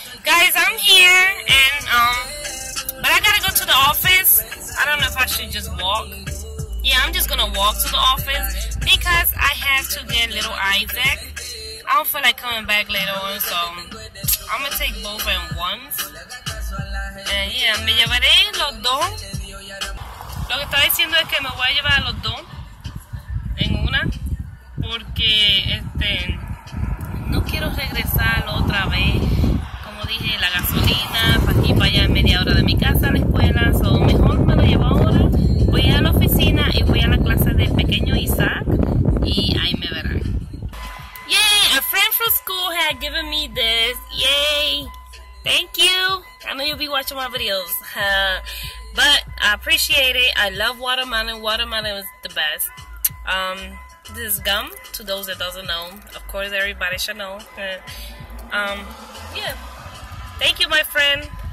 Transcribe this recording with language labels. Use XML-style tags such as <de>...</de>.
<en>Guys, I'm here and, but I gotta go to the office. I don't know if I should just walk. Yeah, I'm just gonna walk to the office because I have to get little Isaac. I don't feel like coming back later on, so I'm gonna take both at once. And yeah,</en> <es>me llevaré los dos. Lo que está diciendo es que me voy a llevar a los dos en una porque no quiero regresar otra vez. Como dije, la gasolina, para aquí para allá en media hora de mi casa, la escuela, so mejor me lo llevo ahora. Voy a la oficina y voy a la clase del pequeño Isaac y ahí me verán.</es> <en>Yay! A friend from school had given me this. Yay! Thank you! I know you'll be watching my videos. But I appreciate it. I love watermelon. Watermelon is the best. This is gum, to those that doesn't know. Of course, everybody should know. Thank you, my friend.</en>